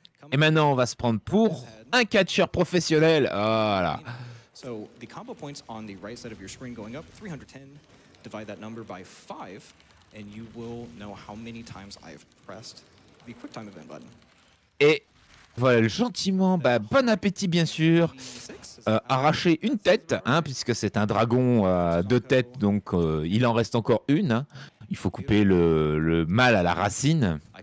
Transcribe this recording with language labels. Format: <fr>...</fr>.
<fr>Et maintenant, on va se prendre pour un catcheur professionnel. Voilà.</fr> <en>So the combo points on the right side of your screen going up 310. Divide that number by 5, and you will know how many times I've pressed the quick time event button.</en> <fr>Et voilà, gentiment, bah, bon appétit bien sûr. Arracher une tête, hein, puisque c'est un dragon de tête, donc il en reste encore une. Il faut couper le mâle à la racine.</fr>